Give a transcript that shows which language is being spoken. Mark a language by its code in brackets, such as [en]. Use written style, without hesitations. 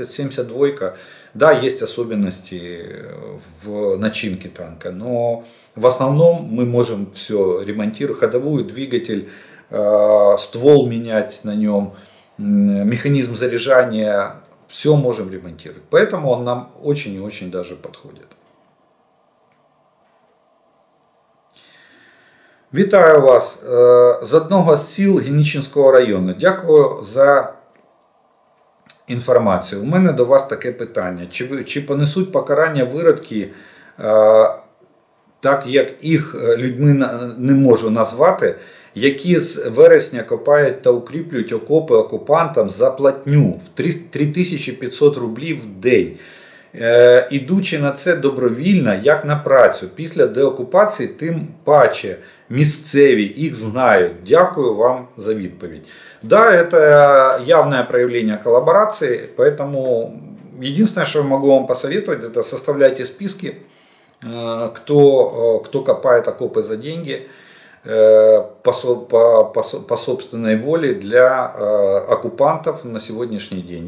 [ru] 72-ка, да, есть особенности в начинке танка, но в основном мы можем все ремонтировать, ходовую, двигатель, ствол менять на нем, механизм заряжания, все можем ремонтировать. Поэтому он нам очень и очень даже подходит. [uk] Вітаю вас з одного з сіл Генічинського району. Дякую за інформацію. У мене до вас таке питання. Чи понесуть покарання виродки, так як їх людьми не можу назвати, які з вересня копають та укріплюють окопи окупантам за платню в 3500 рублів в день? Ідучи на це добровільно, як на працю, після деокупації, тим паче, місцеві їх знають. Дякую вам за відповідь. [ru] Да, это явное проявление коллаборации, поэтому единственное, что я могу вам посоветовать, это составляйте списки, кто копает окопы за деньги по собственной воле для оккупантов на сегодняшний день.